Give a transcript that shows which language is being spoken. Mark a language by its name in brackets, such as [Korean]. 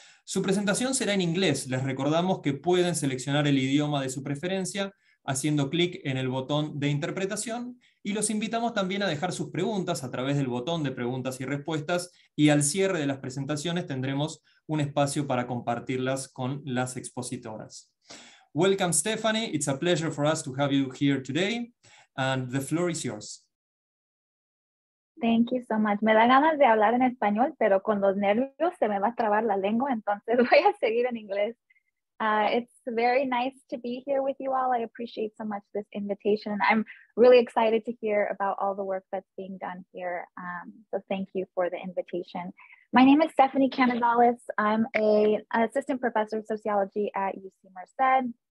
[Spanish] Su presentación será en inglés. Les recordamos que pueden seleccionar el idioma de su preferencia haciendo clic en el botón de interpretación y los invitamos también a dejar sus preguntas a través del botón de preguntas y respuestas y al cierre de las presentaciones tendremos un espacio para compartirlas con las expositoras. [English] Welcome, Stephanie. It's a pleasure for us to have you here today. And the floor is yours. Thank you so much. [Spanish] Me da ganas de hablar en español, pero con los nervios se me va a trabar la lengua, entonces voy a seguir en inglés. [English] It's very nice to be here with you all. I appreciate so much this invitation. I'm really excited to hear about all the work that's being done here. So thank you for the invitation. My name is Stephanie Canizales. I'm an assistant professor of sociology at UC Merced.